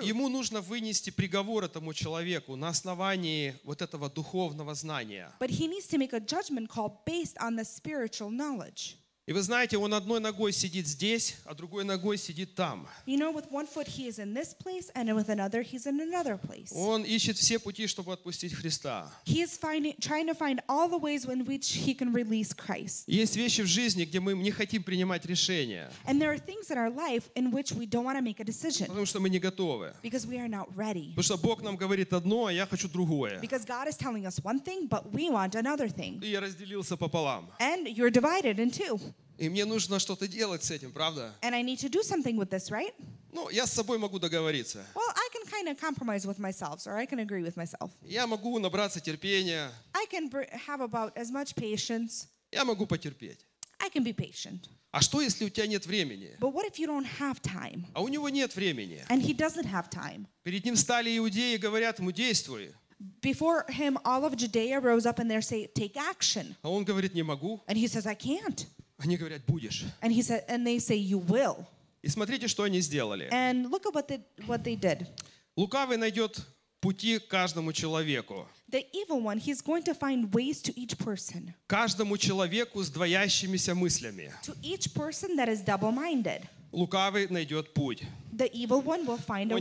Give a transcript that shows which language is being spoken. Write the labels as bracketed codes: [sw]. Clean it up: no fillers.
[ru] А ему нужно вынести приговор этому человеку на основании вот этого духовного знания. [en] But he needs to make a judgment call based on the spiritual knowledge. [ru] И вы знаете, он одной ногой сидит здесь, а другой ногой сидит там. [en] You know, with one foot he is in this place, and with another he's in another place. [ru] Он ищет все пути, чтобы отпустить Христа. [en] He is trying to find all the ways in which he can release Christ. [ru] Есть вещи в жизни, где мы не хотим принимать решения. [en] And there are things in our life in which we don't want to make a decision. [ru] Потому что мы не готовы. [en] Because we are not ready. [ru] Потому что Бог нам говорит одно, а я хочу другое. [en] Because God is telling us one thing, but we want another thing. [ru] И я разделился пополам. [en] And you're divided in two. [ru] И мне нужно что-то делать с этим, правда? [en] And I need to do something with this, right? [ru] Ну, я с собой могу договориться. [en] Well, I can kind of compromise with myself, or I can agree with myself. [ru] Я могу набраться терпения. [en] I can have about as much patience. [ru] Я могу потерпеть. [en] I can be patient. [ru] А что, если у тебя нет времени? [en] But what if you don't have time? [ru] А у него нет времени. [en] And he doesn't have time. [ru] Перед ним стали иудеи и говорят ему, действуй. [en] Before him, all of Judea rose up and they say, take action. [ru] А он говорит, не могу. [en] And he says, I can't. [ru] Они говорят, будешь. [en] And he said, and they say, you will. [ru] И смотрите, что они сделали. [en] And look at what they did. [ru] Лукавый найдет пути каждому человеку. [en] The evil one, he's going to find ways to each person. [ru] Каждому человеку с двоящимися мыслями. [en] To each person that is double-minded. [ru] Лукавый найдет путь. [en] The evil one will find a way.